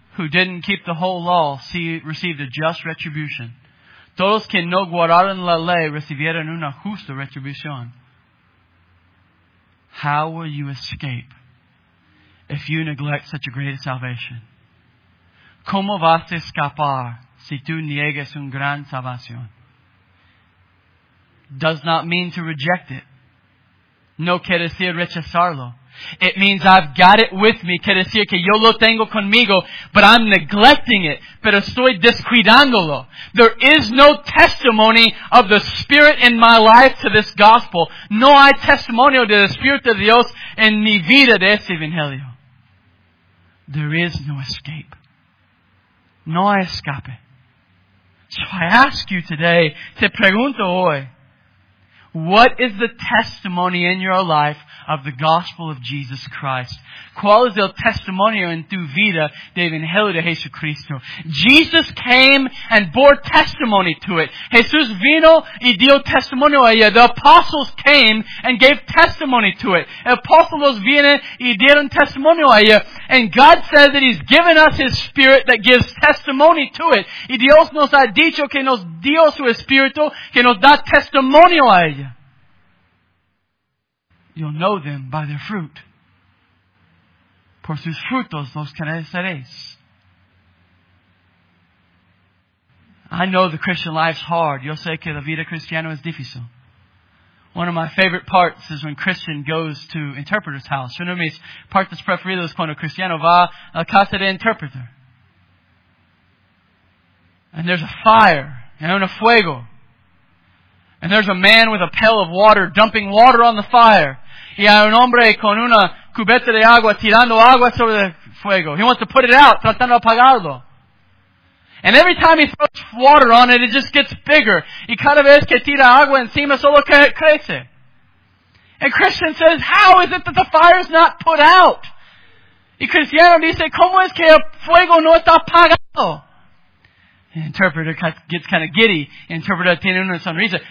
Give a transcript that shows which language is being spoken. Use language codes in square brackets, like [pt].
[en] who didn't keep the whole law received a just retribution. [es] Todos que no guardaron la ley recibieron una justa retribución. [en] How will you escape if you neglect such a great salvation? [es] ¿Cómo vas a escapar si tú niegas una gran salvación? [en] Does not mean to reject it. [es] No quiere decir rechazarlo. [en] It means I've got it with me. [es] Quiere decir que yo lo tengo conmigo, [en] but I'm neglecting it. [es] Pero estoy descuidándolo. [en] There is no testimony of the Spirit in my life to this gospel. [es] No hay testimonio del Espíritu de Dios en mi vida de ese Evangelio. [en] There is no escape. [es] No hay escape. [en] So I ask you today, [es] te pregunto hoy, [en] what is the testimony in your life of the gospel of Jesus Christ? [es] ¿Cuál es el testimonio en tu vida del Evangelio de Jesucristo? [en] Jesus came and bore testimony to it. [es] Jesús vino y dio testimonio a ella. [en] The apostles came and gave testimony to it. [es] Apóstolos vienen y dieron testimonio a ella. [en] And God says that He's given us His Spirit that gives testimony to it. [es] Y Dios nos ha dicho que nos dio su Espíritu que nos da testimonio a ella. [en] You'll know them by their fruit. [es] Por sus frutos los conoceréis. [en] I know the Christian life's hard. [es] Yo sé que la vida cristiana es difícil. [en] One of my favorite parts is when Christian goes to interpreter's house. [es] Uno de mis partes preferidas es cuando Cristiano va a casa de interpreter. [en] And there's a fire and [es] un fuego. [en] And there's a man with a pail of water dumping water on the fire. [es] Y hay un hombre con una cubeta de agua tirando agua sobre el fuego. [en] He wants to put it out, [es] tratando de apagarlo. [en] And every time he throws water on it, it just gets bigger. [es] Y cada vez que tira agua encima, solo crece. [en] And Christian says, how is it that the fire is not put out? [es] Y Cristiano dice, ¿cómo es que el fuego no está apagado? [en] The interpreter gets kind of giddy. The interpreter [es] tiene una sonrisa.